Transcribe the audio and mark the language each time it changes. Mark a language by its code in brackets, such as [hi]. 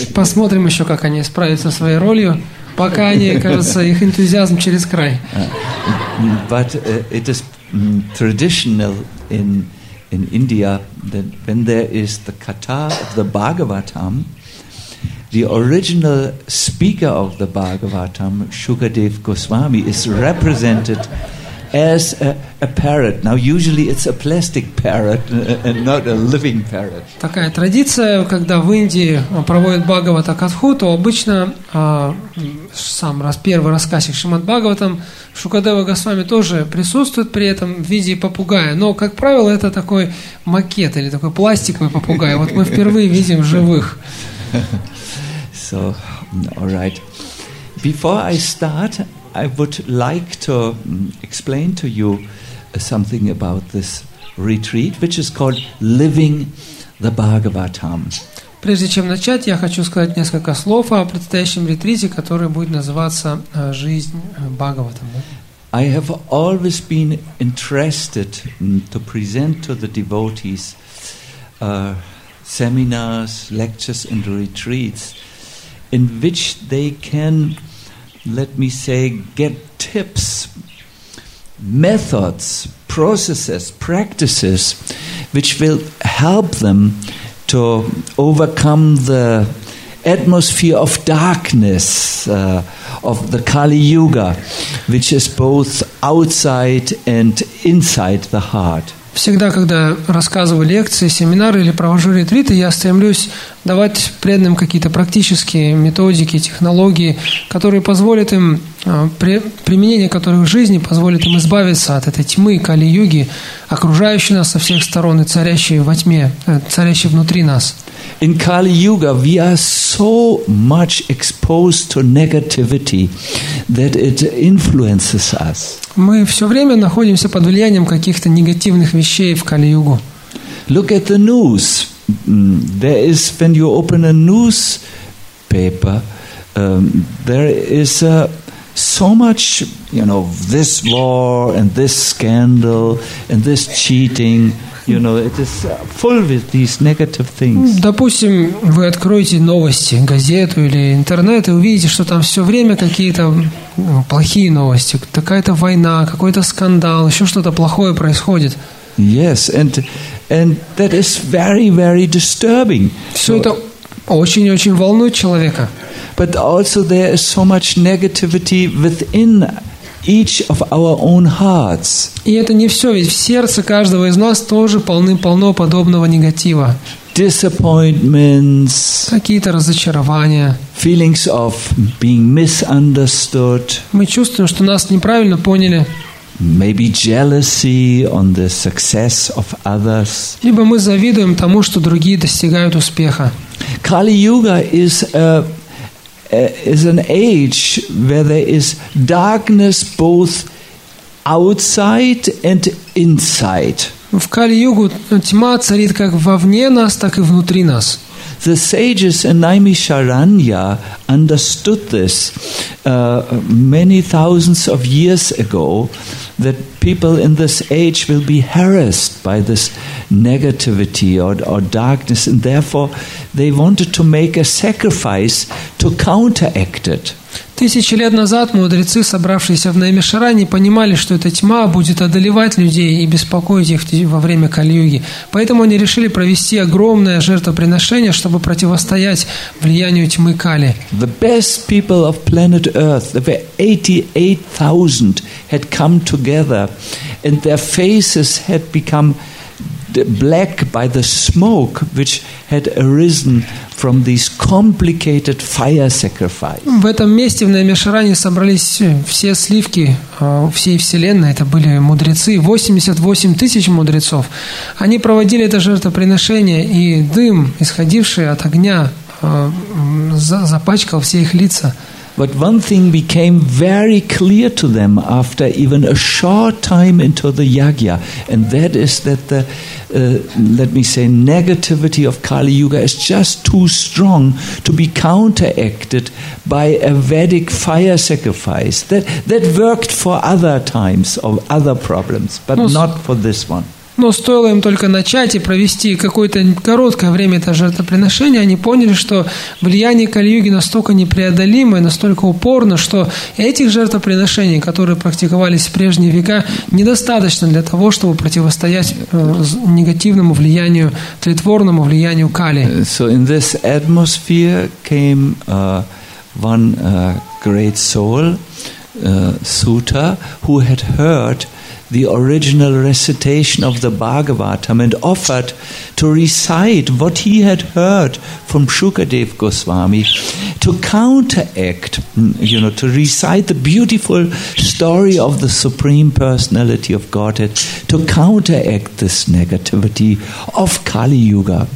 [ru] Посмотрим еще, как они справятся со своей ролью. Пока они, кажется, их энтузиазм через край. [en] But it is traditional in India that when there is the katha of the Bhagavatam, the original speaker of the Bhagavatam, Shukadev Goswami, is represented as a parrot. Now, usually it's a plastic parrot and not a living parrot. [ru] Такая традиция, когда в Индии проводят Бхагавата Катху, то обычно сам раз первый рассказчик Шримад Бхагаватам, Шукадева Госвами тоже присутствует при этом в виде попугая. Но, как правило, это такой макет или такой пластиковый попугай. Вот мы впервые видим живых. [en] So, all right. Before I start, I would like to explain to you something about this retreat, which is called Living the Bhagavatam. [ru] Прежде чем начать, я хочу сказать несколько слов о предстоящем ретрите, который будет называться «Жизнь Бхагаватам». [en] I have always been interested to present to the devotees seminars, lectures, and retreats in which they can, let me say, get tips, methods, processes, practices, which will help them to overcome the atmosphere of darkness of the Kali Yuga, which is both outside and inside the heart. [ru] Всегда, когда рассказываю лекции, семинары или провожу ретриты, я стремлюсь давать преданным какие-то практические методики, технологии, которые позволят им, применение которых в жизни позволит им избавиться от этой тьмы Кали-Юги, окружающей нас со всех сторон и царящей во тьме, царящей внутри нас. [en] In Kali-Yuga we are so much exposed to negativity that it influences us. [ru] Мы все время находимся под влиянием каких-то негативных вещей в Кали-Югу. [en] Look at the news. There is, when you open a newspaper, there is so much, you know, this war and this scandal and this cheating. You know, it is full with these negative things. [ru] Допустим, вы откроете новости, газету или интернет, и увидите, что там все время какие-то плохие новости, какая-то война, какой-то скандал, еще что-то плохое происходит. [en] Yes, and that is very, very disturbing. [ru] Все это очень-очень волнует человека. [en] But also there is so much negativity within each of our own hearts. [ru] И это не все, ведь в сердце каждого из нас тоже полно подобного негатива. [en] Disappointments. [ru] Какие-то разочарования. [en] Feelings of being misunderstood. [ru] Мы чувствуем, что нас неправильно поняли. [en] Maybe jealousy on the success of others. [ru] Либо мы завидуем тому, что другие достигают успеха. [en] Kali-Yuga is an age where there is darkness both outside and inside. [ru] В Кали-Югу тьма царит как вовне нас, так и внутри нас. [en] The sages in Naimisharanya understood this many thousands of years ago, that people in this age will be harassed by this negativity or darkness, and therefore they wanted to make a sacrifice to counteract it. [ru] Тысячи лет назад мудрецы, собравшиеся в Наймишаране, понимали, что эта тьма будет одолевать людей и беспокоить их во время Кали-Юги. Поэтому они решили провести огромное жертвоприношение, чтобы противостоять влиянию тьмы Кали. [en] The best people of planet Earth, there were 88,000, had come together, and their faces had become black by the smoke which had arisen from these complicated fire sacrifices. [ru] В этом месте в Наймишаране собрались все сливки всей вселенной. Это были мудрецы, 88 тысяч мудрецов. Они проводили это жертвоприношение, и дым, исходивший от огня запачкал все их лица. [en] But one thing became very clear to them after even a short time into the yagya, and that is that the, let me say, negativity of Kali Yuga is just too strong to be counteracted by a Vedic fire sacrifice. That worked for other times of other problems, but not for this one. [ru] Но стоило им только начать и провести какое-то короткое время это жертвоприношение, они поняли, что влияние Кали-юги настолько непреодолимо и настолько упорно, что этих жертвоприношений, которые практиковались в прежние века, недостаточно для того, чтобы противостоять негативному влиянию, тлетворному влиянию Кали. [en] So in this atmosphere came one great soul, Sutta, who had heard the original recitation of the Bhagavatam and offered to recite what he had heard from Shukadev Goswami to counteract, you know, to recite the beautiful story of the Supreme Personality of Godhead to counteract this negativity of Kali Yuga.